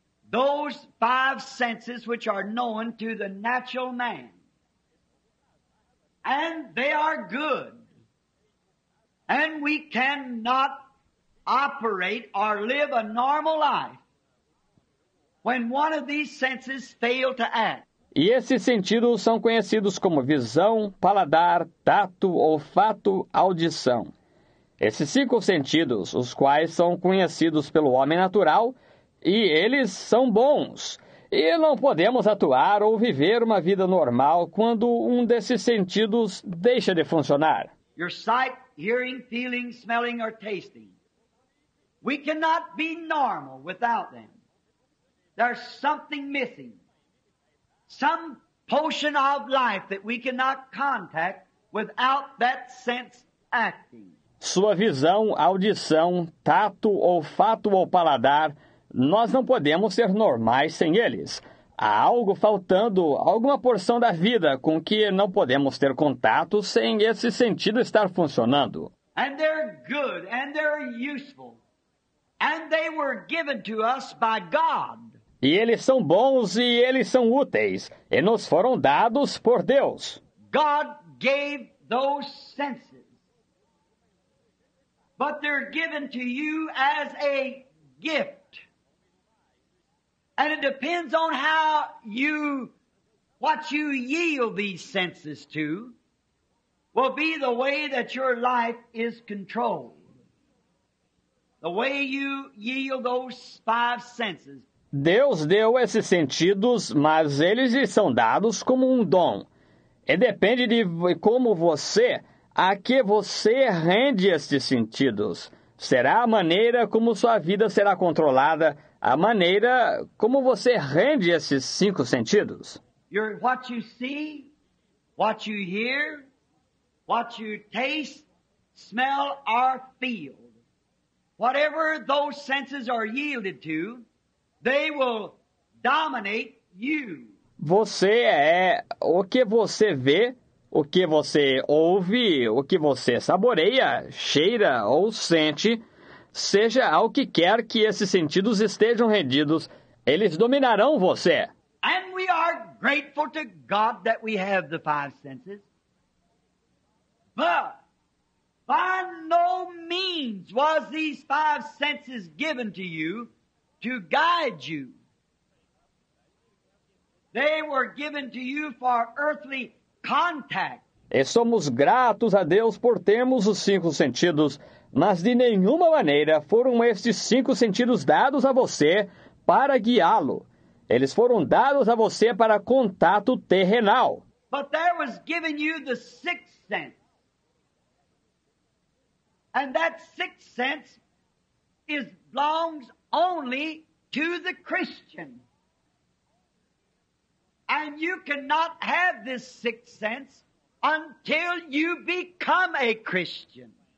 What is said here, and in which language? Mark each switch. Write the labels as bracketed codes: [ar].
[en] Those five senses which are known to the natural man. And they are good. And we cannot operate or live a normal life when one of these senses fail to act. [pt] E esses sentidos são conhecidos como visão, paladar, tato, olfato, audição. Esses cinco sentidos, os quais são conhecidos pelo homem natural, e eles são bons. E não podemos atuar ou viver uma vida normal quando um desses sentidos deixa de funcionar. [en] Your sight, hearing, feeling, smelling or tasting. We cannot be normal without them. There's something missing. Some portion of life that we cannot contact without that sense acting. [pt] Sua visão, audição, tato, olfato ou paladar, nós não podemos ser normais sem eles. Há algo faltando, alguma porção da vida com que não podemos ter contato sem esse sentido estar funcionando. [en] And they're good and they're useful. And they were given to us by God. [pt] E eles são bons e eles são úteis e nos foram dados por Deus. [en] God gave those senses. But they're given to you as a gift. And it depends on how you, what you yield these senses to, will be the way that your life is controlled. The way you yield those five senses. [pt] Deus deu esses sentidos, mas eles lhe são dados como um dom. E depende de como você, a que você rende estes sentidos. Será a maneira como sua vida será controlada, a maneira como você rende esses cinco sentidos. [en] What you see, what you hear, what you taste, smell, or feel. Whatever those senses are yielded to, they will dominate you. [pt] Você é o que você vê, o que você ouve, o que você saboreia, cheira ou sente. Seja ao que quer que esses sentidos estejam rendidos, eles dominarão você. [en] And we are grateful to God that we have the five senses. But by no means was these five senses given to you to guide you. They were given to you for earthly contact. [pt] E somos gratos a Deus por termos os cinco sentidos. Mas de nenhuma maneira foram estes cinco sentidos dados a você para guiá-lo. Eles foram dados a você para contato terrenal. [en] But there was given you the sixth sense. And that sixth sense is belongs only to the Christian. And you cannot have this sixth sense until you become a Christian.